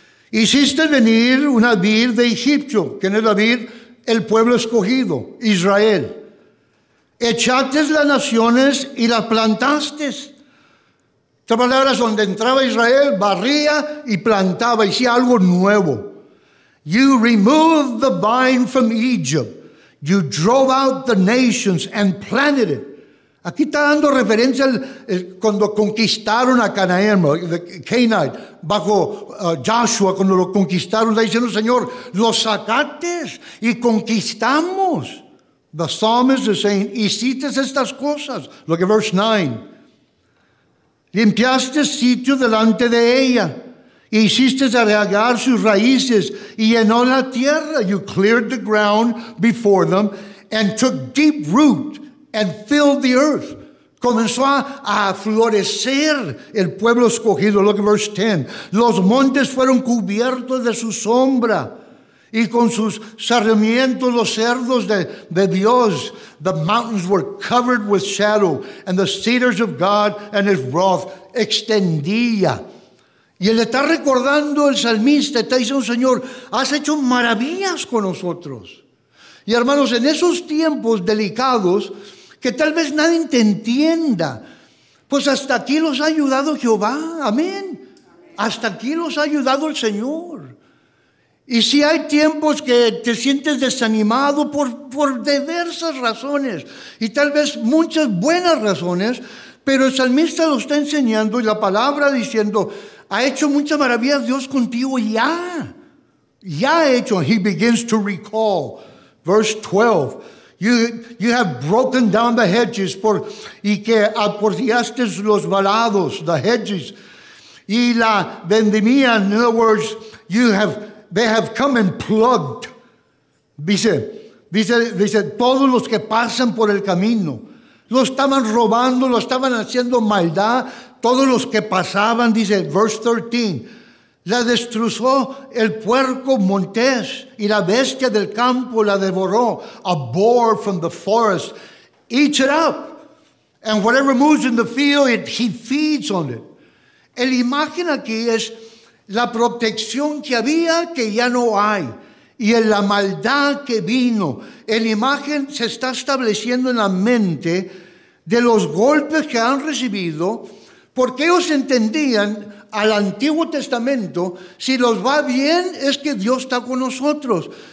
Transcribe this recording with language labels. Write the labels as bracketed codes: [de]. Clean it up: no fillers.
[es] Hiciste venir una vid de Egipto, ¿quién es la vid? El pueblo escogido, Israel. Echaste las naciones y las plantaste. Esta palabra es donde entraba Israel, barría y plantaba, hacía algo nuevo. [en] You removed the vine from Egypt. You drove out the nations and planted it. [es] Aquí está dando referencia cuando conquistaron a Canaán, the Canaanite, bajo Joshua, cuando lo conquistaron. Está diciendo, Señor, lo sacaste y conquistamos. [en] The psalmist is saying, [es] hiciste estas cosas. [en] Look at verse 9. [es] Limpiaste sitio delante de ella. Hiciste arreglar sus raíces y llenó la tierra. [en] You cleared the ground before them and took deep root and filled the earth. [es] Comenzó a florecer el pueblo escogido. [en] Look at verse 10. [es] Los montes fueron cubiertos de su sombra y con sus sarmientos los cerdos de Dios. [en] The mountains were covered with shadow and the cedars of God and his wrath extendía. [es] Y él está recordando, el salmista está diciendo, Señor, has hecho maravillas con nosotros. Y hermanos, en esos tiempos delicados, que tal vez nadie te entienda, pues hasta aquí los ha ayudado Jehová, amén. Hasta aquí los ha ayudado el Señor. Y si hay tiempos que te sientes desanimado por diversas razones, y tal vez muchas buenas razones, pero el salmista lo está enseñando y la palabra diciendo, ha hecho mucha maravilla Dios contigo ya. Ya ha hecho. [en] He begins to recall. Verse 12. You have broken down the hedges. [es] Y que aportaste los valados, [en] the hedges. [es] Y la vendimia, [en] in other words, they have come and plugged. [es] Dice, todos los que pasan por el camino. Lo estaban robando, lo estaban haciendo maldad. Todos los que pasaban, dice, verse 13, la destruyó el puerco montés y la bestia del campo la devoró, [en] a boar from the forest, eats it up. [es] And whatever moves in the field, he feeds on it. La imagen aquí es la protección que había que ya no hay y en la maldad que vino. La imagen se está estableciendo en la mente de los golpes que han recibido. Porque ellos entendían al Antiguo Testamento, si los va bien es que Dios está con nosotros.